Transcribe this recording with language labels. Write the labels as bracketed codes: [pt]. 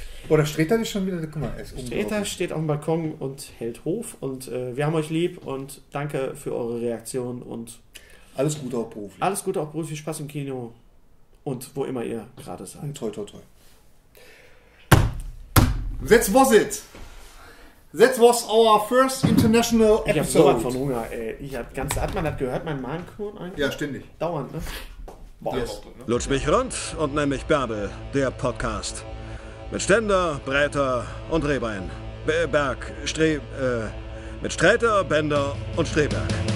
[de] Oder Sträter ist schon wieder. Guck mal, er ist um. Sträter steht auf dem Balkon und hält Hof. Und wir haben euch lieb und danke für eure Reaktion. Und alles Gute auch beruflich. Alles Gute auch beruflich. Spaß im Kino. Und wo immer ihr gerade seid. Und toi, toi, toi. [en] That was it. That was our first international episode. [de] Ich hab sowas von Hunger, ey. Hat man das gehört, mein Magenknurren eigentlich? Ja, ständig. Dauernd, ne? Boah. Yes. Lutsch mich rund und nenn mich Bärbel, der Podcast. Mit Ständer, Breiter und Rehbein. Berg, Streh, mit Sträter, Bänder und Strehberg.